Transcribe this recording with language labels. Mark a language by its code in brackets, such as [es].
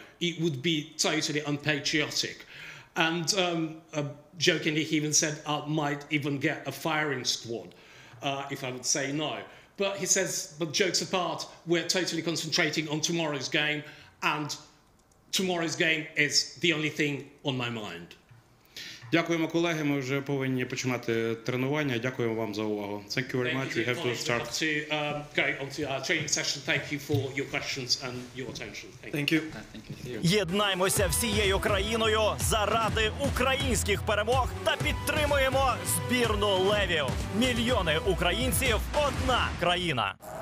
[en] It would be totally unpatriotic. And jokingly, he even said, I might even get a firing squad if I would say no. But he says, but jokes apart, we're totally concentrating on tomorrow's game, and tomorrow's game is the only thing on my mind. [uk] Дякуємо, колеги. Ми вже повинні починати тренування. Дякуємо вам за увагу. [en] Thank you very much. We have to start. We have to go on to our training session. Thank you for your questions and your attention. Thank you. [uk] Єднаймося всією країною заради українських перемог та підтримуємо збірну Левів. Мільйони українців – одна країна.